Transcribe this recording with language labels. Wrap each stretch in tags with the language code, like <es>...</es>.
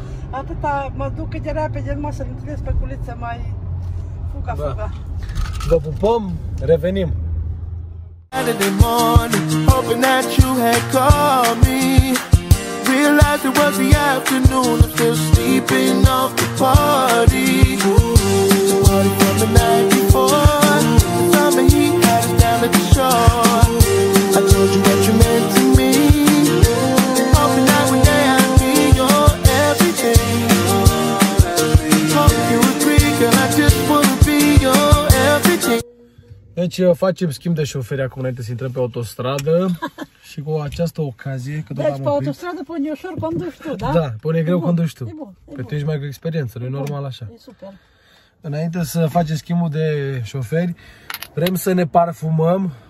<ro>Atâta, mă duc cât de repede, numai să-l întâlnesc pe culiță mai fuga. Vă pupăm, revenim.</ro> <en>Saturday morning, hoping that you had called me. Realized it was the afternoon, I'm still sleeping off the party. It's a party from the night before. Summer heat got us down at the shore. I told you what you meant to me. Hoping that one day I'd be your everything. Hope you agree, girl, I just wanna be your everything.</en> <ro>Deci facem schimb de șoferi acum înainte să intrăm pe autostradă și cu această ocazie că deci, doar am pe autostradă pe ușor conduci tu, da? Da, pe e greu conduci tu. E bun. Că tu ești mai cu experiență, nu e normal așa. E super. înainte să facem schimbul de șoferi, vrem să ne parfumăm.</ro>